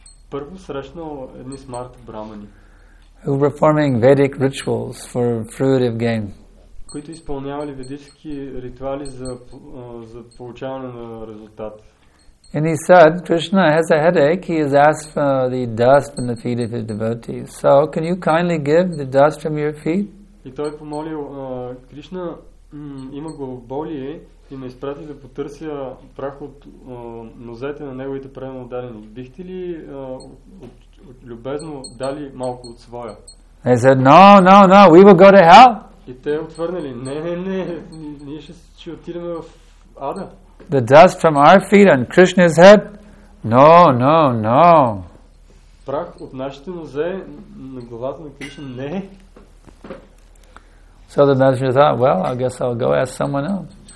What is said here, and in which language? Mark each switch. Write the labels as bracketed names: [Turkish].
[Bulgarian] Първо срещнал едни смарта брамани. [English] Who were performing Vedic rituals for fruitive gain. [Bulgarian] Които изпълнявали ведически ритуали за получаване на резултат. [English] And he said, Krishna has a headache. He has asked for the dust in the feet of his devotees. So, can you kindly give the dust from your feet? [Bulgarian] И той помолил, Кришна има главоболие и ме изпрати да потърся прах от нозете на неговите правилно дадени. Бихте ли любезно дали малко от своя? [English] They said, no, we will go to hell. [Bulgarian] И те отвърнали, не, ние ще отидем в ада. [English] The dust from our feet on Krishna's head? No. [Bulgarian] Прах от нашите нозе на главата на Кришна? Не. [English] So the messenger thought, well, I guess I'll go ask someone else.